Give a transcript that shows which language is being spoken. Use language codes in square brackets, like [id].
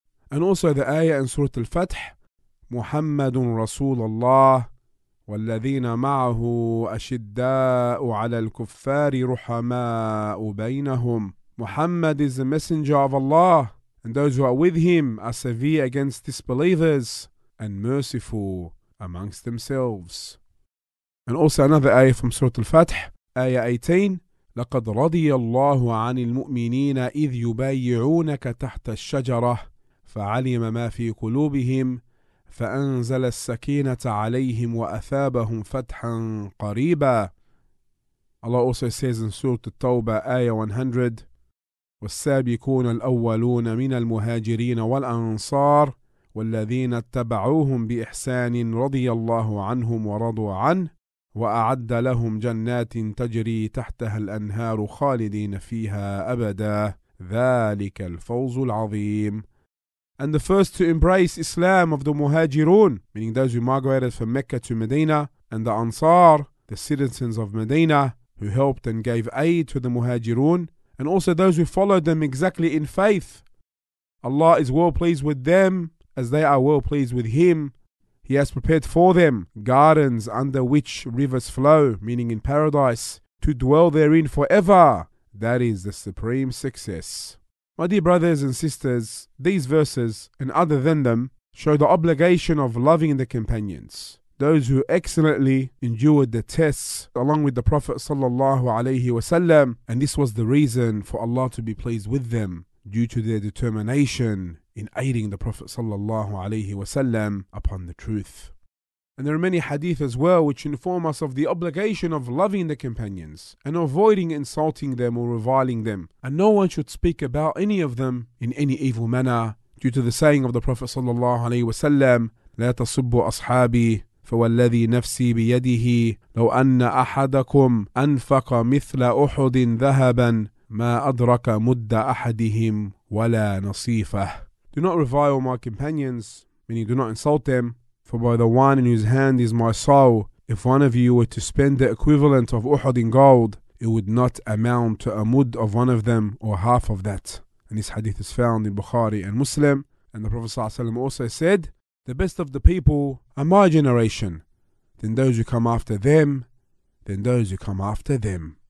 [en] And also the ayah in Surah Al-Fath, Muhammadun Rasulullah, [ar] والذين معه أشداء على الكفار رحماء بينهم. [en] Muhammad is the messenger of Allah, and those who are with him are severe against disbelievers and merciful amongst themselves. And also another ayah from Surah Al-Fath, ayah 18, [ar] لقد رضي الله عن المؤمنين إذ يبايعونك تحت الشجرة فعلم ما في قلوبهم فأنزل السكينة عليهم وأثابهم فتحا قريبا. [en] Allah also says in Surah At-Tawbah, Ayah 100, [ar] والسابقون الأولون من المهاجرين والأنصار والذين اتبعوهم بإحسان رضي الله عنهم ورضوا عنه وأعد لهم جنات تجري تحتها الأنهار خالدين فيها أبدا ذلك الفوز العظيم. [en] And the first to embrace Islam of the Muhajirun, meaning those who migrated from Mecca to Medina, and the Ansar, the citizens of Medina, who helped and gave aid to the Muhajirun, and also those who followed them exactly in faith, Allah is well pleased with them as they are well pleased with Him. He has prepared for them gardens under which rivers flow, meaning in paradise, to dwell therein forever. That is the supreme success. My dear brothers and sisters, these verses, and other than them, show the obligation of loving the companions, those who excellently endured the tests along with the Prophet sallallahu alayhi wasallam, and this was the reason for Allah to be pleased with them, due to their determination in aiding the Prophet sallallahu alayhi wasallam upon the truth. And there are many hadith as well which inform us of the obligation of loving the companions and avoiding insulting them or reviling them. And no one should speak about any of them in any evil manner, due to the saying of the Prophet sallallahu alayhi wasallam, [ar] لا تصبوا أصحابي فوالذي نفسي بيده لو أن أحدكم أنفق مثل أحد ذهبا ما أدرك مد أحدهم ولا نصيفه. [en] Do not revile my companions, meaning do not insult them, for by the one in whose hand is my soul, if one of you were to spend the equivalent of Uhud in gold, it would not amount to a mud of one of them or half of that. And this hadith is found in Bukhari and Muslim. And the Prophet ﷺ also said, "The best of the people are my generation, then those who come after them, then those who come after them."